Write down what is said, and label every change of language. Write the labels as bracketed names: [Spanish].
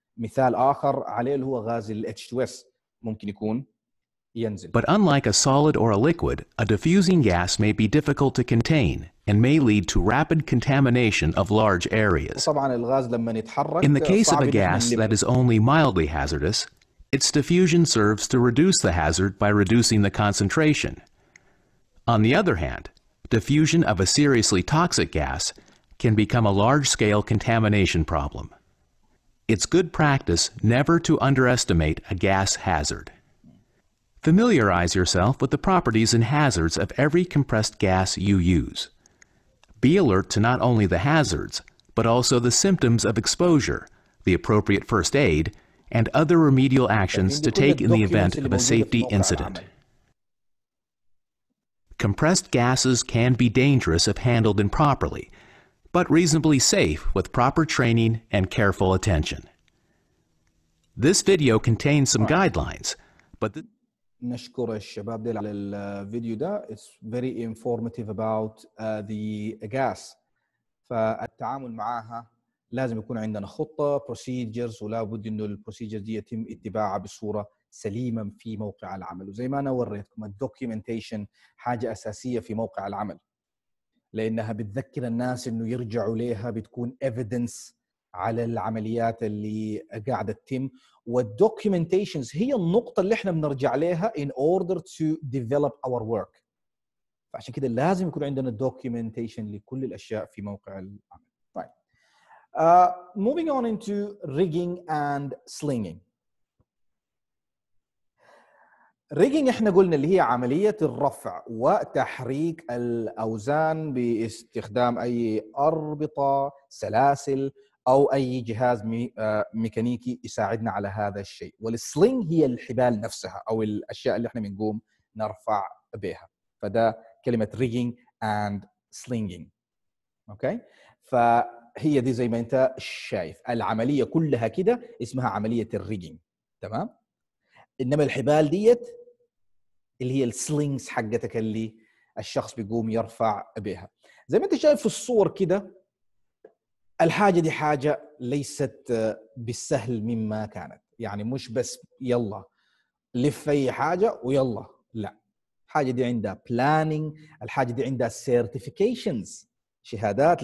[Arabic] مثال اخر عليه اللي هو غاز ال H2S ممكن يكون ينزل. [English] But unlike a solid or a liquid, a diffusing gas may be difficult to contain and may lead to rapid contamination of large areas. In the case of a gas that is only mildly hazardous, its diffusion serves to reduce the hazard by reducing the concentration. On the other hand, diffusion of a seriously toxic gas can become a large-scale contamination problem. It's good practice never to underestimate a gas hazard. Familiarize yourself with the properties and hazards of every compressed gas you use. Be alert to not only the hazards, but also the symptoms of exposure, the appropriate first aid, and other remedial actions to take in the event of a safety incident. Compressed gases can be dangerous if handled improperly, but reasonably safe with proper training and careful attention. This video contains some guidelines, but the [Arabic] نشكر الشباب ديل على الفيديو ده. [English] It's very informative about the gas. [Arabic] فالتعامل معها لازم يكون عندنا خطة procedures, ولا بد إنه procedures دي يتم اتباعها بصورة سليمة في موقع العمل. وزي ما أنا وريتكم documentation حاجة أساسية في موقع العمل, لأنها بتذكر الناس إنه يرجعوا ليها, بتكون [English] evidence [Arabic] على العمليات اللي قاعدة تتم. والدوكيومنتيشنز هي النقطة اللي احنا بنرجع لها [English] in order to develop our work. [Arabic] فعشان كده لازم يكون عندنا documentation لكل الأشياء في موقع العمل. [English] Right. Moving on into rigging and slinging. [Arabic] Rigging احنا قلنا اللي هي عملية الرفع وتحريك الأوزان باستخدام أي أربطة, سلاسل, أو أي جهاز ميكانيكي يساعدنا على هذا الشيء. والسلينج هي الحبال نفسها أو الأشياء اللي احنا بنقوم نرفع بها. فده كلمة rigging and slinging. أوكي؟ فهي دي زي ما أنت شايف العملية كلها كده اسمها عملية الrigging. تمام؟ إنما الحبال ديت اللي هي السلينجز حقتك اللي الشخص بيقوم يرفع بها. زي ما أنت شايف في الصور كده الحاجة دي حاجة ليست بالسهل مما كانت, يعني مش بس يلا لف أي حاجة ويلا, لا, الحاجة دي عندها planning, الحاجة دي عندها certifications, شهادات.